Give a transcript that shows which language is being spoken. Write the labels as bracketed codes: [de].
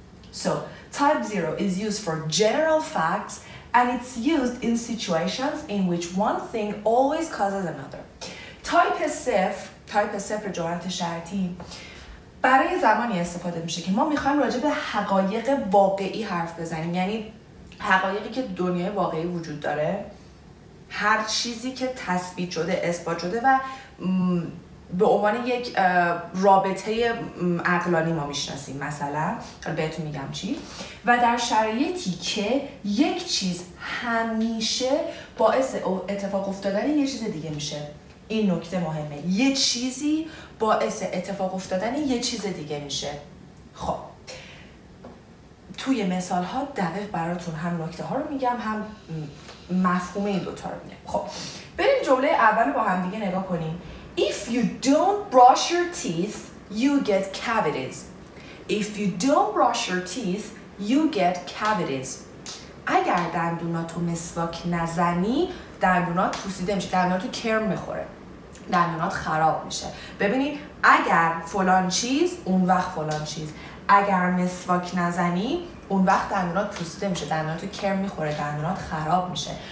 [en] So, type 0 is used for general facts and it's used in situations in which one thing always causes another. Type SF for [fa] جملات شرطی برای زمانی استفاده میشه که ما میخوایم راجع به حقایق واقعی حرف بزنیم، یعنی حقایقی که دنیای واقعی وجود داره، هر چیزی که تثبیت شده، اثبات شده و به عنوان یک رابطه عقلانی ما میشناسیم مثلا، حالا بهتون میگم چی، و در شرایطی که یک چیز همیشه باعث اتفاق افتادن یه چیز دیگه میشه. این نکته مهمه، یه چیزی باعث اتفاق افتادن یه چیز دیگه میشه. خب توی مثال ها دقیق براتون هم نکته ها رو میگم هم مفهوم این دوتا رو میگم. خب بریم جمله اول با هم دیگه نگاه کنیم. [en] If you don't brush your teeth, you get cavities. If you don't brush your teeth, you get cavities. [fa] اگر دندوناتو مسواک نزنی، دندونات پوسیده میشه، دندوناتو کرم میخوره، دندونات خراب میشه. ببینید اگر فلان چیز، اون وقت فلان چیز. اگر مسواک نزنی، اون وقت دندونات پوسیده میشه، دندوناتو کرم میخوره، دندونات خراب میشه.